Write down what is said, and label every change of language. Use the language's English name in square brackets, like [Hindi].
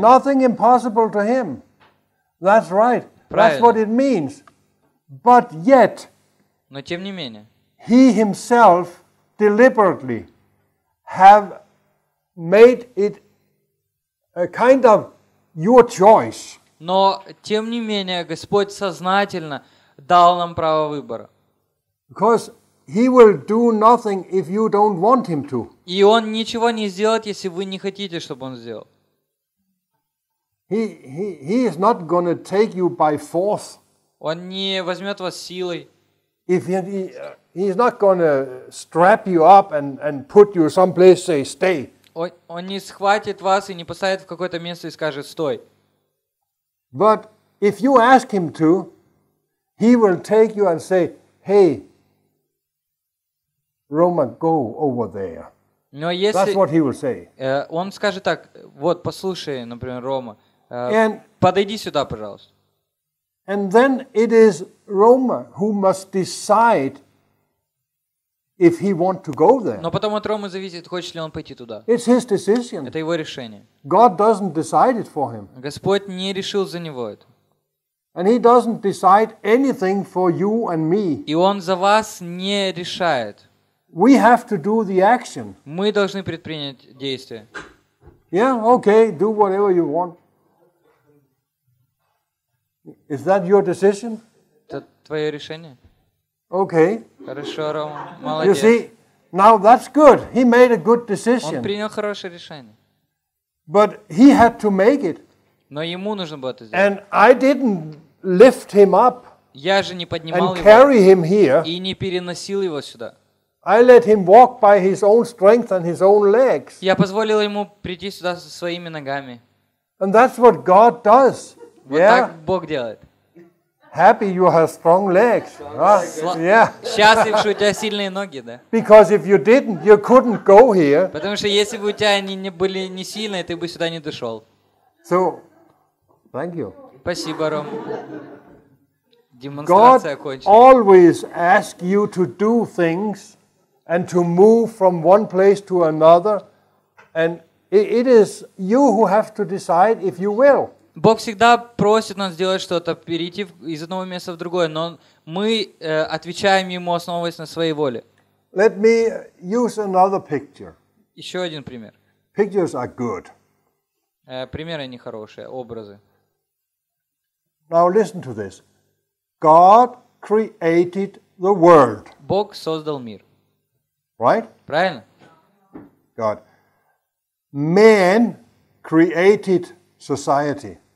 [English] Nothing impossible to him. That's right. [Russian] Правильно. [English] That's what it means. But yet, [Russian] но тем не менее, [English] he himself deliberately have made it a kind of your choice. [Russian] Но тем не менее, Господь сознательно дал нам право выбора. [English] Because he will do nothing if you don't want him to. [Russian] И он ничего не сделает, если вы не хотите, чтобы он сделал. [English] He is not going to take you by force. [Russian] Он не возьмет вас силой. [English] If he is not going to strap you up and put you someplace, say stay. [Russian] Он не схватит вас и не поставит в какое-то место и скажет стой. [English] But if you ask him to, he will take you and say, hey, Roma, go over there. [Russian] Но если, [English] that's what he will say. [Russian] Он скажет так, вот, послушай, например, Рома, подойди сюда, пожалуйста. [English] And then it is Roma who must decide if he want to go there. [Russian] Но потом от Ромы зависит, хочет ли он пойти туда. [English] It's his decision. [Russian] Это его решение. [English] God doesn't decide it for him. [Russian] Господь не решил за него это. [English] And he doesn't decide anything for you and me. [Russian] И он за вас не решает. [English] We have to do the action. [Russian] Мы должны предпринять действие. [English] Yeah, okay, do whatever you want. Is that your decision? [Russian] Это твое решение. [English] Okay. [Russian] Хорошо, Рома. Молодец. [English] You see, now that's good. He made a good decision. [Russian] Он принял хорошее решение. [English] But he had to make it. [Russian] Но ему нужно было это сделать. [English] And I didn't lift him up. [Russian] Я же не поднимал [English] and [Russian] его. [English] And carry him here. [Russian] И не переносил его сюда. [English] I let him walk by his own strength and his own legs. [Russian] Я позволил ему прийти сюда со своими ногами. [English] And that's what God does. [Russian] Вот [English] yeah. [Russian] Так Бог делает. [English] Happy you have strong legs. [Russian] Счастлив, что у тебя сильные ноги, да? [English] Because if you didn't, you couldn't go here. [Russian] Потому что если бы у тебя они не были не сильные, ты бы сюда не дошел. [English] So, thank you. [Russian] Спасибо, Ром. Демонстрация кончена. [English] God always asks you to do things and to move from one place to another, and it is you who have to decide if you will. [Russian] Бог всегда просит нас сделать что-то, перейти из одного места в другое, но мы отвечаем Ему, основываясь на своей воле. [English] Let me use another picture. [Russian] Еще один пример. [English] Pictures are good. [Russian] Примеры нехорошие, образы. [English] Now listen to this. God created the world. [Russian] Бог создал мир. [English] Right? [Russian] Правильно? [English] God. Man created society.